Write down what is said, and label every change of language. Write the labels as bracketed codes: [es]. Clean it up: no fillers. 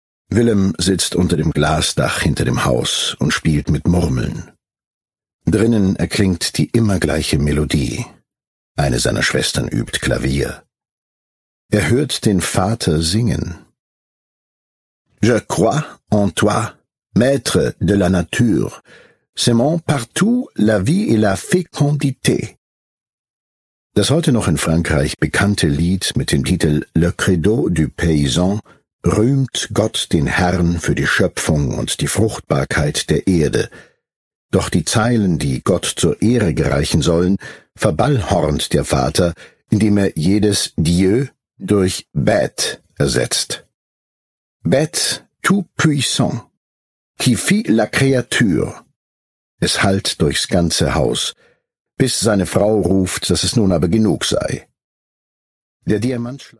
[de] Willem sitzt unter dem Glasdach hinter dem Haus und spielt mit Murmeln. Drinnen erklingt die immer gleiche Melodie. Eine seiner Schwestern übt Klavier. Er hört den Vater singen. [fr] Je crois en toi, maître de la nature, semant partout la vie et la fécondité. [de] Das heute noch in Frankreich bekannte Lied mit dem Titel Le Credo du Paysan rühmt Gott den Herrn für die Schöpfung und die Fruchtbarkeit der Erde. Doch die Zeilen, die Gott zur Ehre gereichen sollen, verballhornt der Vater, indem er jedes Dieu durch Bête ersetzt. [fr] Bête tout puissant, qui fit la créature. [de] Es hallt durchs ganze Haus, bis seine Frau ruft, dass es nun aber genug sei. Der Diamantschlag.